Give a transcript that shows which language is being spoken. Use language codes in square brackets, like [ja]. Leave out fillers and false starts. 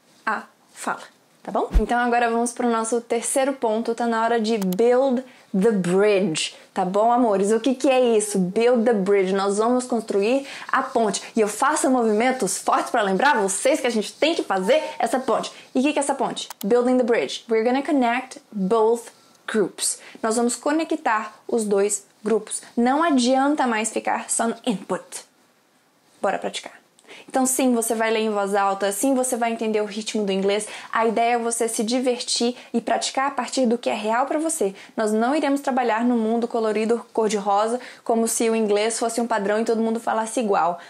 [pt] A fala. Tá bom? Então agora vamos pro nosso terceiro ponto, tá na hora de [en] build the bridge, [pt] tá bom, amores? O que que é isso? [en] Build the bridge, [pt] nós vamos construir a ponte. E eu faço movimentos fortes pra lembrar vocês que a gente tem que fazer essa ponte. E o que que é essa ponte? [en] Building the bridge. We're gonna connect both groups. [pt] Nós vamos conectar os dois grupos. Não adianta mais ficar só no input. Bora praticar. Então sim, você vai ler em voz alta, sim, você vai entender o ritmo do inglês. A ideia é você se divertir e praticar a partir do que é real pra você. Nós não iremos trabalhar num mundo colorido, cor-de-rosa, como se o inglês fosse um padrão e todo mundo falasse igual.